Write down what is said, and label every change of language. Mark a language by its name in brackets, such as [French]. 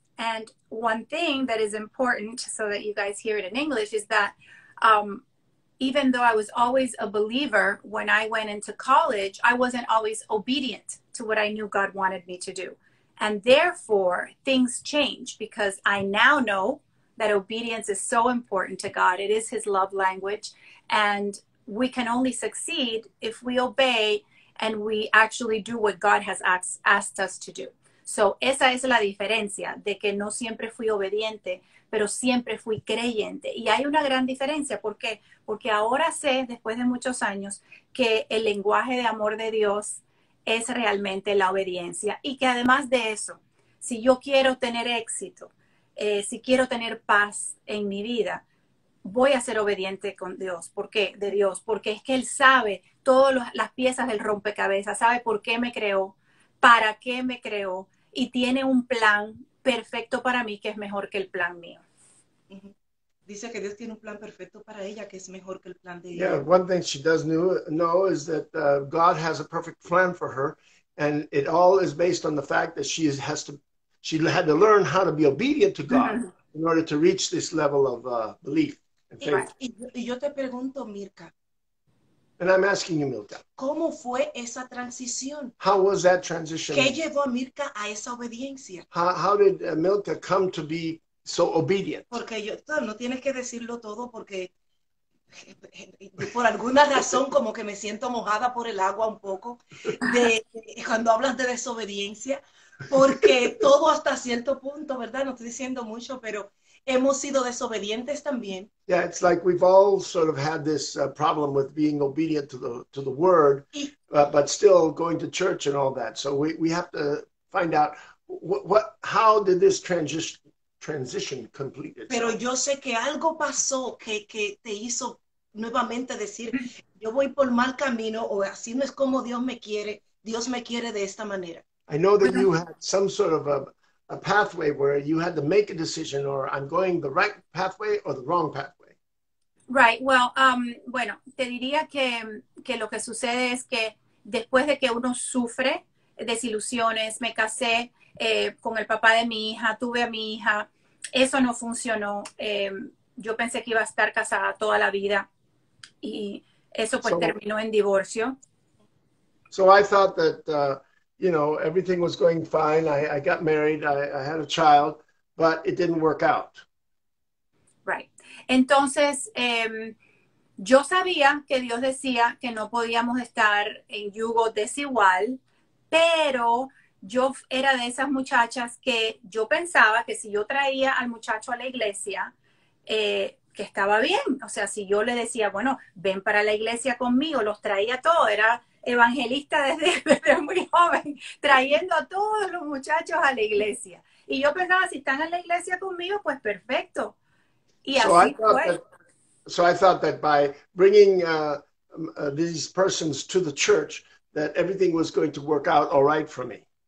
[English] And one thing that is important so that you guys hear it in English is that even though I was always a believer when I went into college, I wasn't always obedient to what I knew God wanted me to do. And therefore, things change because I now know that obedience is so important to God. It is His love language. And we can only succeed if we obey and we actually do what God has asked us to do. [Spanish] So, esa es la diferencia de que no siempre fui obediente, pero siempre fui creyente. Y hay una gran diferencia. ¿Por qué? Porque ahora sé, después de muchos años, que el lenguaje de amor de Dios es realmente la obediencia. Y que además de eso, si yo quiero tener éxito, si quiero tener paz en mi vida, voy a ser obediente con Dios. ¿Por qué? De Dios. Porque es que Él sabe todas las piezas del rompecabezas, sabe por qué me creó, para qué me creó y tiene un plan perfecto para mí que es mejor que el plan mío. Dice que Dios tiene un plan perfecto para ella, que es mejor que el plan de [English] Yeah, [Spanish] ella. [English] one thing she does know is that God has a perfect plan for her, and it all is based on the fact that she had to learn how to be obedient to God in order to reach this level of belief and faith. [Spanish] Y yo te pregunto, Mirka, [English] And I'm asking you, Milka, [Spanish] ¿cómo fue esa transición? [English] how was that [Spanish] ¿Qué [English] transition? [Spanish] llevó a Mirka a esa obediencia? [English] How did Milka come to be so obedient? [Spanish] Porque yo, no tienes que decirlo todo porque por alguna razón como que me siento mojada por el agua un poco de cuando hablas de desobediencia, porque todo hasta cierto punto, ¿verdad? No estoy diciendo mucho, pero hemos sido desobedientes también. [English] Yeah, it's like we've all sort of had this problem with being obedient to the word, but still going to church and all that. So we have to find out what how did this transition complete [Spanish] Pero [English] itself? [Spanish] yo sé que algo pasó que te hizo nuevamente decir, yo voy por mal camino o así no es como Dios me quiere de esta manera. [English] I know that [Spanish] Bueno. [English] you had some sort of a pathway where you had to make a decision, or I'm going the right pathway or the wrong pathway. Right, well, [Spanish] bueno, te diría que lo que sucede es que después de que uno sufre desilusiones, me casé con el papá de mi hija, tuve a mi hija. Eso no funcionó. Yo pensé que iba a estar casada toda la vida y eso pues terminó en divorcio. [English] So I thought that everything was going fine. I got married. I had a child, but it didn't work out. Right. [Spanish] Entonces, Yo sabía que Dios decía que no podíamos estar en yugo desigual, pero yo era de esas muchachas que yo pensaba que si yo traía al muchacho a la iglesia, que estaba bien. O sea, si yo le decía, bueno, ven para la iglesia conmigo, los traía todo, era evangelista desde muy joven, trayendo a todos los muchachos a la iglesia. Y yo pensaba, si están en la iglesia conmigo, pues perfecto. Y así fue. [English] So I thought that by bringing these persons to the church, that everything was going to work out all right for me.